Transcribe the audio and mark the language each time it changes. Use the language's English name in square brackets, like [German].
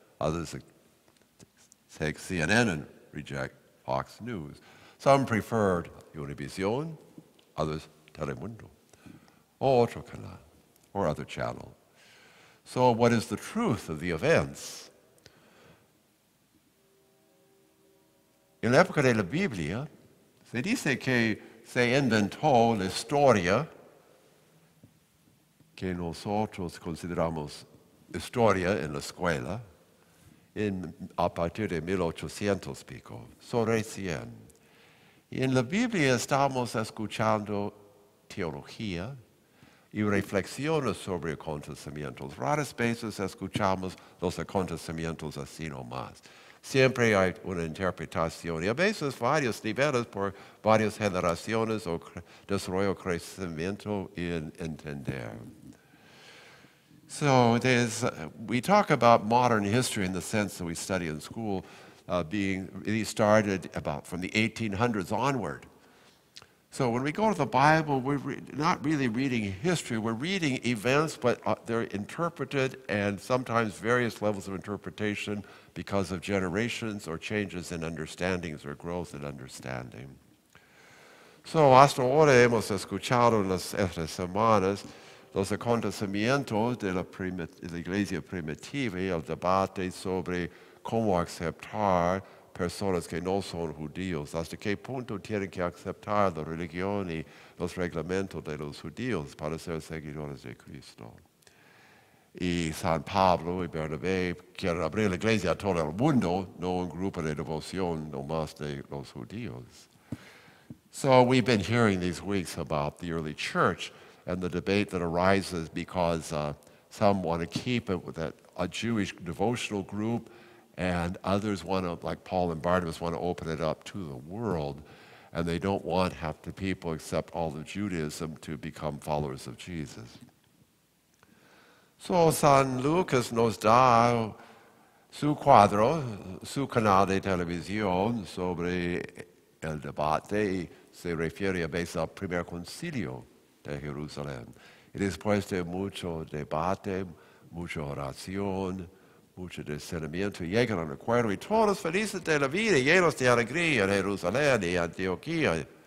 [English] Others take CNN and reject Fox News. Some preferred Univision, others Telemundo, or [Spanish] otro canal, [English] or other channel. So what is the truth of the events? [Spanish] En la época de la Biblia, se dice que se inventó la historia que nosotros consideramos historia en la escuela a partir de 1800 pico, sobre 100. Y en la Biblia estamos escuchando teología y reflexiones sobre acontecimientos. Raras veces escuchamos los acontecimientos así nomás. Siempre hay una interpretación y a veces varios niveles por varias generaciones o desarrollo crecimiento y entender. [English] So we talk about modern history in the sense that we study in school being really started about from the 1800s onward. So when we go to the Bible, we're not really reading history, we're reading events, but they're interpreted and sometimes various levels of interpretation because of generations or changes in understandings or growth in understanding. [Spanish] So hasta ahora hemos escuchado en estas semanas los acontecimientos de la iglesia primitiva y el debate sobre cómo aceptar personas que no son judíos, hasta qué punto tienen que aceptar la religión y los reglamentos de los judíos para ser seguidores de Cristo. Y San Pablo y Bernabé quieren abrir la iglesia a todo el mundo, no un grupo de devoción nomás de los judíos. [English] So we've been hearing these weeks about the early church and the debate that arises because some want to keep it with a Jewish devotional group and others want to, like Paul and Barnabas, want to open it up to the world, and they don't want half the people except all of Judaism to become followers of Jesus. [Spanish] So San Lucas nos da su cuadro, su canal de televisión sobre el debate y se refiere a base al primer concilio de Jerusalén. Y después de mucho debate, mucha oración, mucho discernimiento, llegan a un acuerdo y todos felices de la vida, llenos de alegría en Jerusalén y Antioquía.